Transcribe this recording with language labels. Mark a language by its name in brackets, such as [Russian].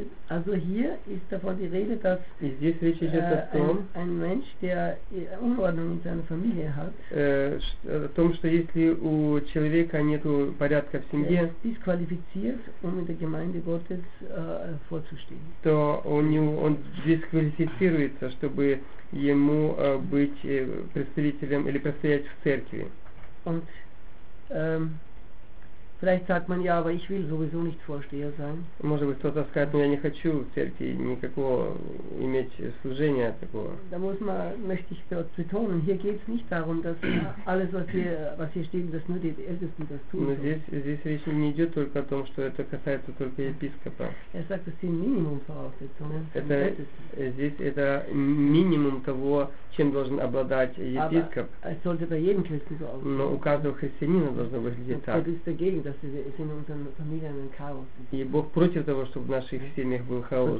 [German] Also hier ist davon die Rede, dass ein Mensch, der Unordnung in seiner Familie hat, disqualifiziert, um in der Gemeinde Gottes vorzustehen. [Russian] То он дисквалифицируется, чтобы ему быть представителем или представлять в церкви. [German] Und vielleicht sagt man ja, aber ich will sowieso nicht Vorsteher sein. [Russian] Может быть, кто-то скажет, но я не хочу в церкви никакого иметь служения такого. [German] Da muss man, möchte ich dort betonen, hier geht es nicht darum, dass alles, was hier steht, dass nur die Ältesten das tun. [Russian] Но здесь речь не идет только о том, что это касается только епископа. [German] Er sagt, das sind Minimumvoraussetzungen. [Russian] Это минимум того, чем должен обладать епископ. [German] Aber es sollte bei jedem Christen so aussehen. [Russian] Но у каждого христианина должно выглядеть так. [German] Dass es in unseren Familien ein Chaos ist. [Russian] И Бог против того, чтобы в наших семьях был хаос.